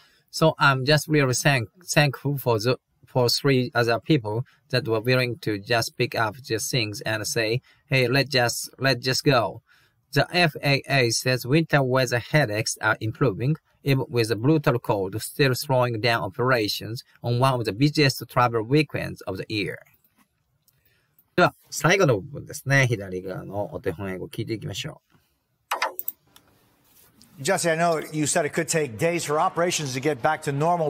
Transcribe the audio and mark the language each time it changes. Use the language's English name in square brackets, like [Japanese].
[English] So I'm just really thankful for the... For three other people that were willing to just pick up their things and say, hey, let's just go. The FAA says winter weather headaches are improving, even with the brutal cold still slowing down operations on one of the busiest travel weekends of the year. [Japanese] では、最後の部分ですね。左側のお手本英語聞いていきましょう。 [English] Jesse, I know you said it could take days for operations to get back to normal.